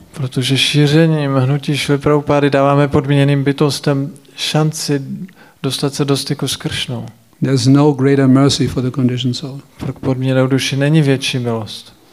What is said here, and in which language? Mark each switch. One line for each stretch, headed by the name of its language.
Czech: Protože šířením hnutí Srila Prabhupady dáváme podmíněným bytostem šanci dostat se do styku s Kršnou.
English: There's no greater mercy for the conditioned soul.
Czech: Pro podmíněnou duši není větší milost.